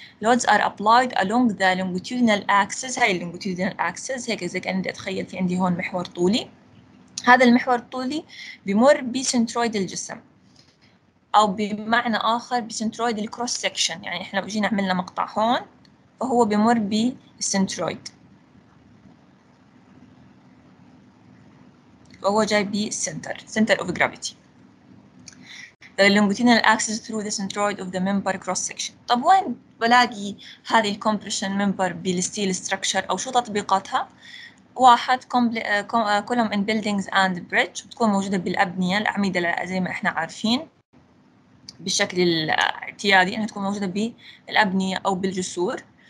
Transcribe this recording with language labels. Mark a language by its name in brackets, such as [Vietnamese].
[English] loads are applied along the longitudinal axis, [Arabic] هاي اللونجيتيودينال أكسس هيك زي كأني أتخيل في عندي هون محور طولي، هذا المحور الطولي بمر بسنترويد الجسم، أو بمعنى آخر بسنترويد الكروس سكشن، يعني إحنا لو جينا عملنا مقطع هون فهو بمر بالسنترويد، وهو جاي بالسنتر، [English] Centre of gravity. The longitudinal axis through the centroid of the member cross section. [Arabic] طب وين بلاقي هذه الكومبريشن ممبر بالستيل ستراكشر او شو تطبيقاتها؟ واحد [English] column in buildings and bridge, [Arabic] بتكون موجوده بالابنيه، الاعمده زي ما احنا عارفين بالشكل الاعتيادي انها تكون موجوده بالابنيه او بالجسور.